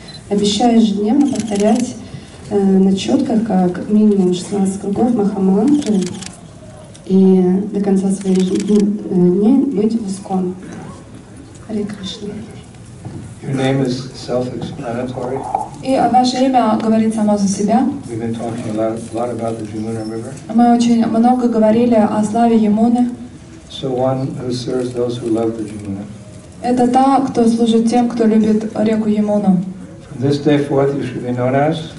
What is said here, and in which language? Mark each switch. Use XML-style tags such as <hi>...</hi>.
<ru>Обещаю ежедневно повторять на четках как минимум 16 кругов Махамантры и до конца своих дней быть в ИСККОН. Хари Кришна.</ru> <en>Your name is self-explanatory.</en> <ru>И ваше имя говорит само за себя.</ru> <en>We've been talking a lot about the Yamuna River.</en> <ru>Мы очень много говорили о славе Ямуны.</ru> <en>So one who serves those who love the Yamuna.</en> <ru>Это та, кто служит тем, кто любит реку Ямуну.</ru> <en>From this day forth you should be known as?</en>